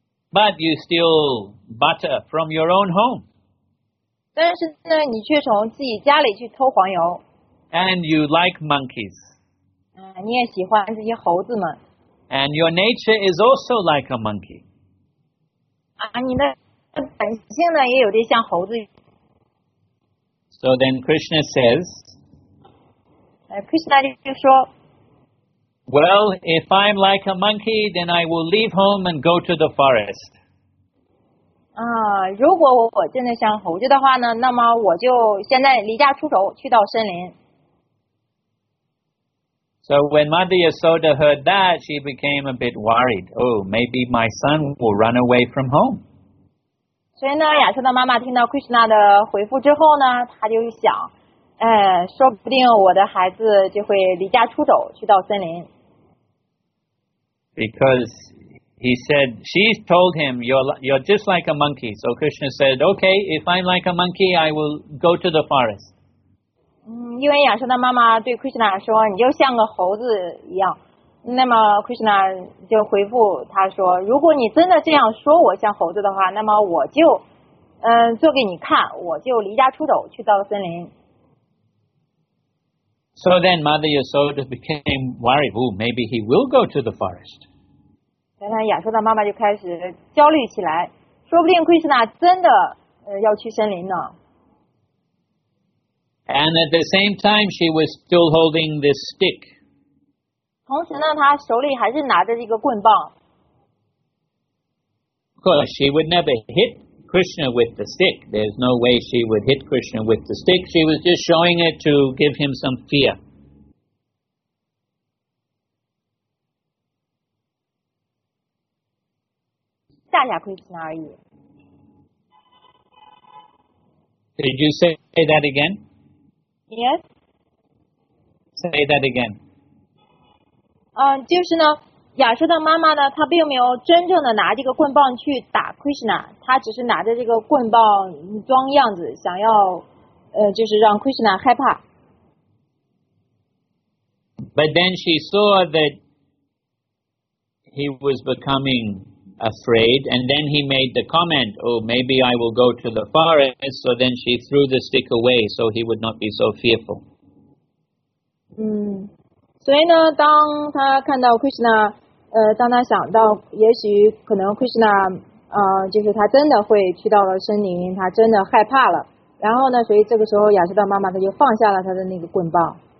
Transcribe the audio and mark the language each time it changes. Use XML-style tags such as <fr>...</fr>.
<en>But you steal butter from your own home.</en> <zh>但是呢，你却从自己家里去偷黄油。</zh> <en>And you like monkeys.</en> <zh>你也喜欢这些猴子们。</zh> <en>And your nature is also like a monkey.</en> <zh>你的本性呢也有点像猴子。</zh> <en>So then Krishna says,</en> <zh>Krishna 就说,</zh> <en>Well, if I'm like a monkey, then I will leave home and go to the forest.</en> <zh>如果我真的像猴子的话呢，那么我就现在离家出走，去到森林。</zh> <en>So when Mother Yasoda heard that, she became a bit worried. Oh, maybe my son will run away from home.</en> <zh>所以呢，亚瑟的妈妈听到 Krishna 的回复之后呢，她就想，说不定我的孩子就会离家出走，去到森林。</zh> <en>Because he said, she told him, you're just like a monkey. So Krishna said, okay, if I'm like a monkey, I will go to the forest.</en> <zh>因为亚瑟的妈妈对 Krishna 说你就像个猴子一样，那么 Krishna 就回复他说，如果你真的这样说我像猴子的话，那么我就做给你看，我就离家出走去到森林。</zh> <en>So then Mother Yasoda became worried, oh, maybe he will go to the forest.</en> <zh>然后亚瑟的妈妈就开始焦虑起来，说不定 Krishna 真的要去森林呢。</zh> <en>And at the same time, she was still holding this stick. 同时呢，她手里还是拿着一个棍棒。 Of course, she would never hit Krishna with the stick. There's no way she would hit Krishna with the stick. She was just showing it to give him some fear.</en> <zh>吓吓 Krishna 而已。</zh> <en>Did you say that again? Yes. Say that again.</en> <zh>就是呢，亚瑟的妈妈呢，她并没有真正的拿这个棍棒去打 Krishna， 她只是拿着这个棍棒装样子，想要就是让 Krishna 害怕。</zh> <en>But then she saw that he was becoming afraid, and then he made the comment, oh, maybe I will go to the forest, so then she threw the stick away so he would not be so fearful.</en> <zh>所以呢，当他看到 Krishna, 当他想到也许可能 Krishna, 就是他真的会去到了森林，他真的害怕了，然后呢，所以这个时候亚瑟的妈妈他就放下了他的那个棍棒。</zh>